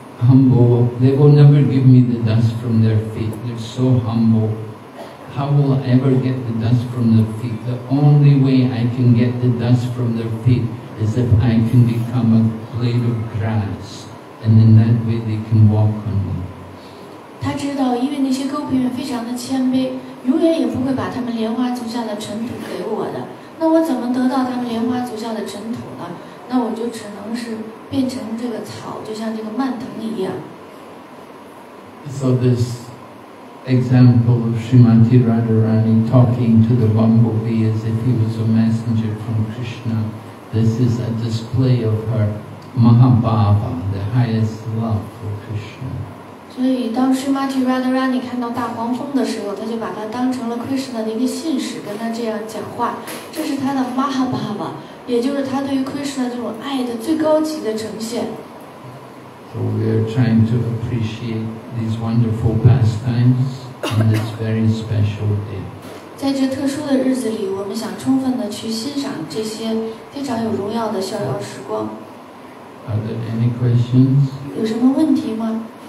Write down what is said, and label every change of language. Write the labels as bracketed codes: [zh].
[en] Humble, they will never give me the dust from their feet. They're so humble. How will I ever get the dust from their feet? The only way I can get the dust from their feet is if I can become a blade of grass, and in that way they can walk on me. [zh] 他知道，因为那些勾皮们非常的谦卑，永远也不会把他们莲花足下的尘土给我的。那我怎么得到他们莲花足下的尘土呢？那我就只能是变成这个草，就像这个蔓藤一样。 [en] So this example of Srimati Radharani talking to the bumblebee as if he was a messenger from Krishna, this is a display of her Mahabhava, the highest love for Krishna. [zh] 所以当 Srimati Radharani 看到大黄蜂的时候，他就把它当成了 Krishna 的一个信使，跟他这样讲话，这是他的 Mahabhava。也就是他对于 Krishna 这种爱的最高级的呈现。 [en] So we are trying to appreciate these wonderful pastimes. on this very special day. [zh] 在这特殊的日子里，我们想充分的去欣赏这些非常有荣耀的逍遥时光。 [en] Are there any questions? [zh] 有什么问题吗？